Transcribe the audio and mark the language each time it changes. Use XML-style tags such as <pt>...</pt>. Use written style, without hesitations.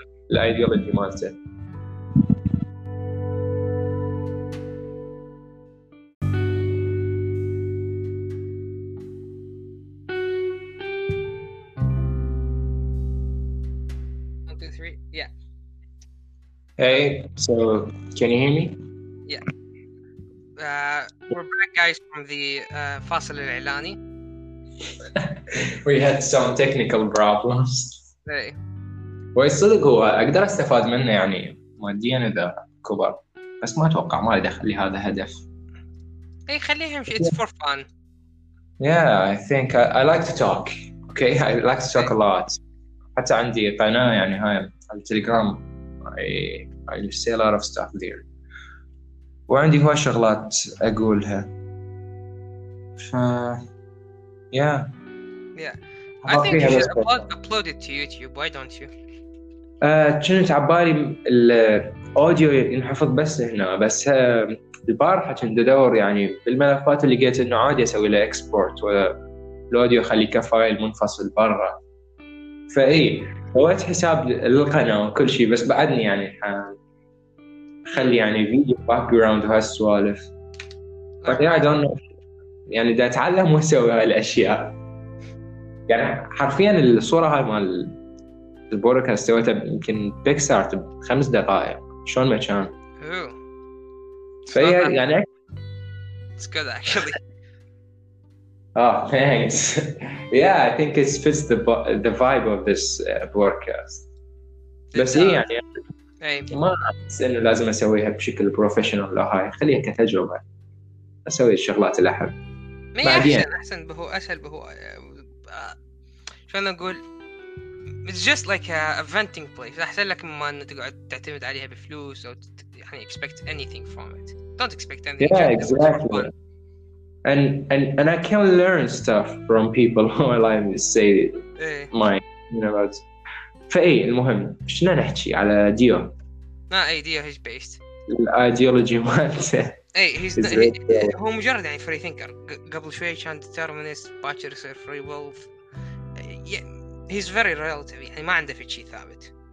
<ar>الأيديولوجي مالته</ar> <en>Hey, so can you hear me? Yeah. We're back, guys, from the Fasil al-Ilani. We had some technical problems. Hey. Well, it's really cool. I can use it, I mean, I'm a kid. But I don't think I'm going to leave this goal. Hey, leave them. It's for fun. Yeah, I think I like to talk. Okay, I like to talk a lot.</en> <ar>حتى عندي قناة يعني هاي على التليجرام</ar> <en>I say a lot of stuff there</en> <ar>وعندي هواي شغلات أقولها ف</ar> <en>yeah I think you should upload it to YouTube why don't you</en> <ar>كنت عبالي الأوديو ينحفظ بس هنا بس البارحة كنت أدور يعني بالملفات اللي قلت إنه عادي أسوي له</ar> <en>export</en> <ar>والأوديو خليه كفايل منفصل برا فأي سويت حساب للقناة وكل شيء بس بعدني يعني خلي يعني فيديو باك جراوند وهالسوالف بس يا دون يعني دا أتعلم وأسوي هالأشياء يعني حرفياً الصورة هاي مال البودكاست سويتها يمكن بيكسارت بخمس دقائق شلون ما كان فأي يعني</ar> <en>it's good actually Oh, thanks. Yeah, I think it fits the vibe of this podcast.</en> <ar>بس إيه يعني ما أحس إنه لازم أسويها بشكل بروفيشنال لا هاي خليها كتجربة أسوي الشغلات اللي أحب. ماشي أحسن بهو أسهل بهو شلون أقول</ar> <en>it's just like a venting place.</en> <ar>أحسن لك ما إنه تقعد تعتمد عليها بفلوس أو يعني</ar> <en>expect anything from it. Don't expect anything. Yeah, exactly. And I can learn stuff from people while I'm saying it. My, you know what?</en> <ar>فأي المهم شنو نحكي على ديو؟</ar> <en>Not ideal. He's based. The ideology</en> <ar>مالته. إيه</ar> <en>he's not,</en> <ar>هو مجرد يعني</ar> <en>free thinker.</en> <ar>قبل شوية كان</ar> <en>determinist,</en> <ar>باكر يصير</ar> <en>free wolf. Yeah, he's very relative.</en> <ar>يعني ما عنده في شيء ثابت.</ar>